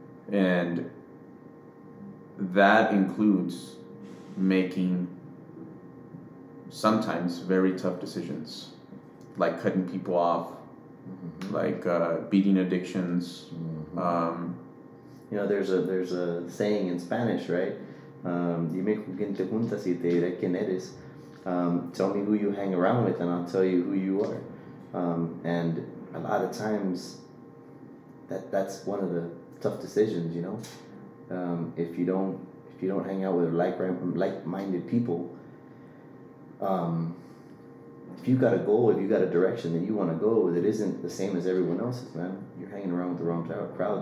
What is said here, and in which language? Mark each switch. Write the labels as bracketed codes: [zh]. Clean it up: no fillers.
[en] And that includes making sometimes very tough decisions, like cutting people off, mm-hmm. like beating addictions. Mm-hmm. You know, there's a saying in Spanish, right? [es] Dime con quien te juntas y te diré quién eres. [en] Tell me who you hang around with and I'll tell you who you are. And a lot of times, that's one of the tough decisions, you know? If you don't hang out with like-minded people, if you've got a goal, if you've got a direction that you want to go, that isn't the same as everyone else's, man, you're hanging around with the wrong crowd.